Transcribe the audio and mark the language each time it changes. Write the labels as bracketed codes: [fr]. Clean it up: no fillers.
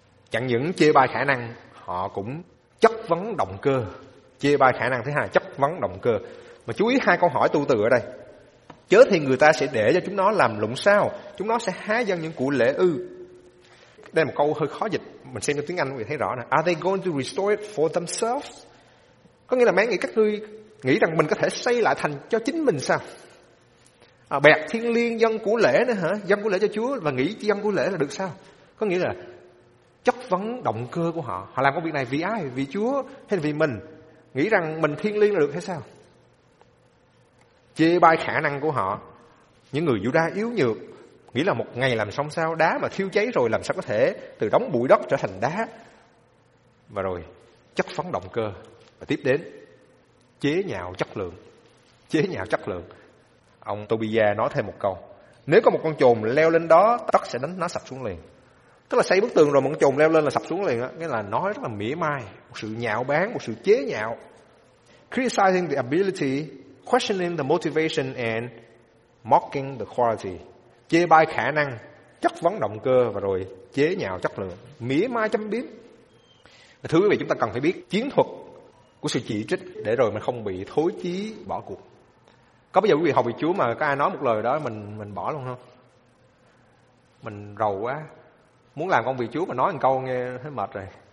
[vi] Chẳng những chê bai khả năng, họ cũng chất vấn động cơ. Chê bai khả năng thứ hai, chất vấn động cơ. Mà chú ý hai câu hỏi tu từ ở đây: chớ thì người ta sẽ để cho chúng nó làm lụng sao, chúng nó sẽ há dâng những của lễ ư. Đây là một câu hơi khó dịch, mình xem trong tiếng Anh mình thấy rõ nè. [en] Are they going to restore it for themselves? [vi] Có nghĩa là mấy người các ngươi nghĩ rằng mình có thể xây lại thành cho chính mình sao? À, bẹt thiên liêng dân của lễ nữa hả? Dân của lễ cho Chúa và nghĩ dân của lễ là được sao? Có nghĩa là chất vấn động cơ của họ. Họ làm công việc này vì ai? Vì Chúa hay vì mình? Nghĩ rằng mình thiên liêng là được hay sao? Chê bai khả năng của họ. Những người Giu-đa yếu nhược, nghĩ là một ngày làm xong sao, đá mà thiêu cháy rồi làm sao có thể từ đống bụi đất trở thành đá. Và rồi chất vấn động cơ. Và tiếp đến chế nhạo chất lượng. Chế nhạo chất lượng. Ông Tobia nói thêm một câu: nếu có một con chồn leo lên đó, tất sẽ đánh nó sập xuống liền. Tức là xây bức tường rồi mà con chồn leo lên là sập xuống liền á. Nghĩa là nói rất là mỉa mai, một sự nhạo báng, một sự chế nhạo. [en] Criticizing the ability, questioning the motivation and mocking the quality. [vi] Chê bai khả năng, chất vấn động cơ và rồi chế nhạo chất lượng. Mỉa mai châm biếm. Thưa quý vị, chúng ta cần phải biết chiến thuật của sự chỉ trích để rồi mình không bị thối chí bỏ cuộc. Có bây giờ quý vị học về Chúa mà có ai nói một lời đó mình bỏ luôn không? Mình rầu quá, muốn làm công việc Chúa mà nói một câu nghe thấy mệt rồi.